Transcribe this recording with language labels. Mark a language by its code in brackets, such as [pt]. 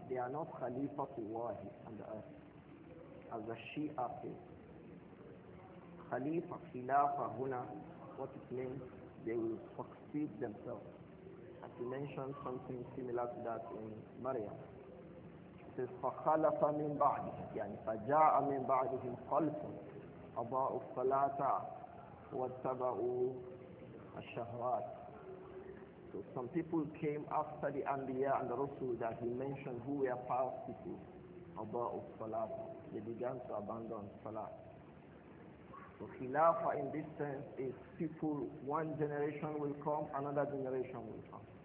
[en] They are not Khalifa to Wahi on the earth. As the Shia say, Khalifa, Khilafa, Huna, what it means, they will succeed themselves. As you mentioned something similar to that in Maryam. [ar] It says, فَخَلَفَ مِنْ بَعْدِهِمْ, يعني فَجَاءَ مِنْ بَعْدِهِمْ خَلْفٌ أَضَاءُ الصَّلَاةَ وَاتَّبَعُوا الشهوات. [en] So some people came after the Anbiya and the Rasul that he mentioned, who were past people, Aba'u Salat. They began to abandon Salat. So Khilafah in this sense is people, one generation will come, another generation will come.